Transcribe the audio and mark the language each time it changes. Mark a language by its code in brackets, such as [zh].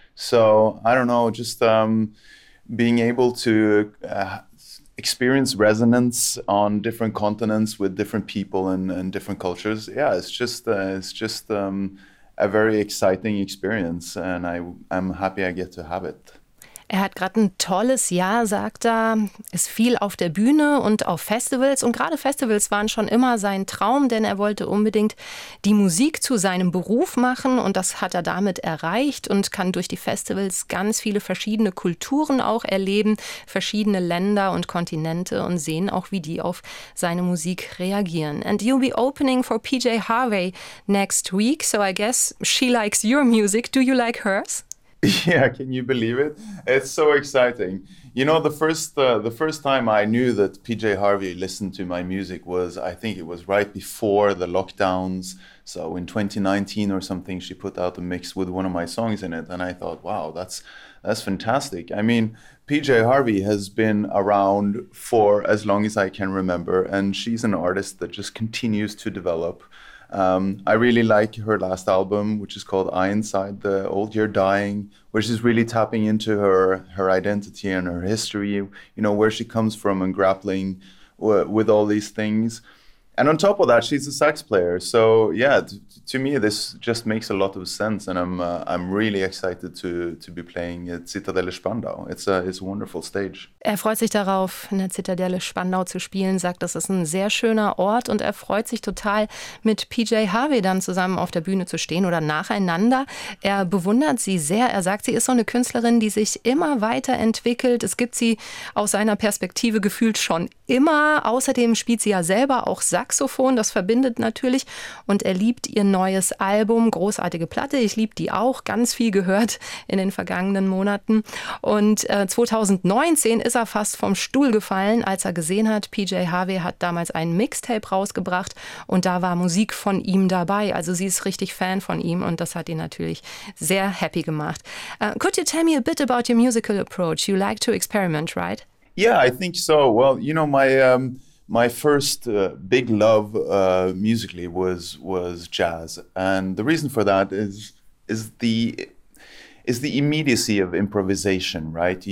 [en] So I don't know, just being able to experience resonance on different continents with different people and different cultures. Yeah, it's just a very exciting experience, and I'm happy I get to have it. [de] Er hat gerade ein tolles Jahr, sagt er, ist viel auf der Bühne und auf Festivals. Und gerade Festivals waren schon immer sein Traum, denn er wollte unbedingt die Musik zu seinem Beruf machen. Und das hat er damit erreicht und kann durch die Festivals ganz viele verschiedene Kulturen auch erleben, verschiedene Länder und Kontinente und sehen auch, wie die auf seine Musik reagieren. [en] And you'll be opening for PJ Harvey next week, so I guess she likes your music. Do you like hers? Yeah, can you believe it? It's so exciting. You know, the first time I knew that PJ Harvey listened to my music was, I think it was right before the lockdowns. So in 2019 or something, she put out a mix with one of my songs in it. And I thought, wow, that's fantastic. I mean, PJ Harvey has been around for as long as I can remember. And she's an artist that just continues to develop. I really like her last album, which is called Eye Inside the Old Year Dying, which is really tapping into her identity and her history, you know, where she comes from and grappling with all these things. And on top of that, she's a sax player. So yeah, to me, this just makes a lot of sense. And I'm really excited to be playing at Zitadelle Spandau. It's a wonderful stage. [de] Er freut sich darauf, in der Zitadelle Spandau zu spielen, sagt, das ist ein sehr schöner Ort. Und er freut sich total, mit PJ Harvey dann zusammen auf der Bühne zu stehen oder nacheinander. Er bewundert sie sehr. Er sagt, sie ist so eine Künstlerin, die sich immer weiterentwickelt. Es gibt sie aus seiner Perspektive gefühlt schon immer. Außerdem spielt sie ja selber auch Saxophon, das verbindet natürlich, und er liebt ihr neues Album, großartige Platte, ich liebe die auch, ganz viel gehört in den vergangenen Monaten. Und 2019 ist er fast vom Stuhl gefallen, als er gesehen hat, PJ Harvey hat damals einen Mixtape rausgebracht und da war Musik von ihm dabei, also sie ist richtig Fan von ihm und das hat ihn natürlich sehr happy gemacht. [en] Could you tell me a bit about your musical approach? You like to experiment, right? Yeah, I think so. Well, you know, my first big love musically was jazz, and the reason for that is the immediacy of improvisation, right?